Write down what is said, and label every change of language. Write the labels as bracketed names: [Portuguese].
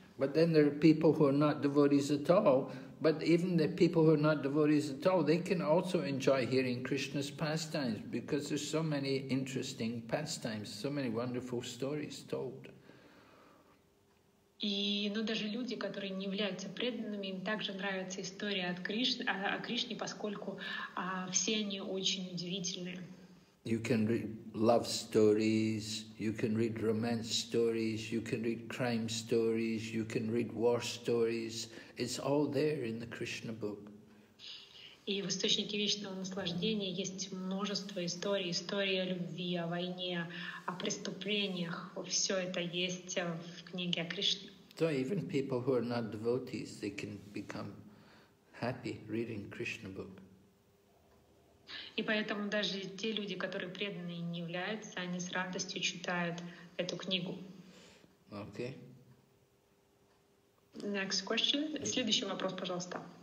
[English] But then there are people who are not devotees at all, but even the people who are not devotees at all, they can also enjoy hearing Krishna's pastimes, because there's so many interesting pastimes, so many wonderful stories told. [Russian] Но даже люди, которые не являются преданными, им также нравится история от Кришны, о Кришне, поскольку все они очень удивительные. [English] You can read love stories, you can read romance stories, you can read crime stories, you can read war stories. It's all there in the Krishna book. [Russian] И в источнике вечного наслаждения есть множество историй, история о любви, о войне, о преступлениях. Все это есть в книге о Кришне. [English] So even people who are not devotees, they can become happy reading Krishna book. [Russian] И поэтому даже те люди, которые преданные не являются, они с радостью читают эту книгу. [English] Okay. Next question. [Russian] Следующий вопрос, пожалуйста.